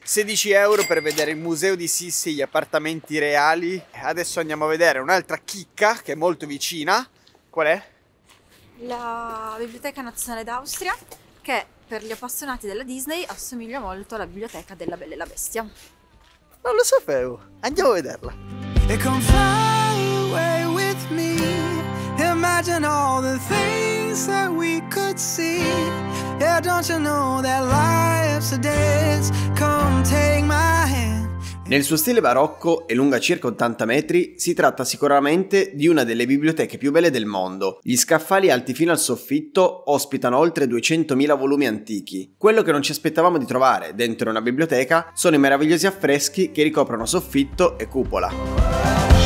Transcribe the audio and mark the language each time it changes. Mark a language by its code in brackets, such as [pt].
[it] 16 euro per vedere il museo di Sissi e gli appartamenti reali. Adesso andiamo a vedere un'altra chicca che è molto vicina. Qual è? La Biblioteca Nazionale d'Austria, che per gli appassionati della Disney assomiglia molto alla Biblioteca della Bella e la Bestia. Non lo sapevo. Andiamo a vederla. [en] E con fly away with me, imagine all the things that we could see. Yeah, don't you know that life's a dance, come take my hand. [it] Nel suo stile barocco e lunga circa 80 metri, si tratta sicuramente di una delle biblioteche più belle del mondo. Gli scaffali alti fino al soffitto ospitano oltre 200.000 volumi antichi. Quello che non ci aspettavamo di trovare dentro una biblioteca sono i meravigliosi affreschi che ricoprono soffitto e cupola.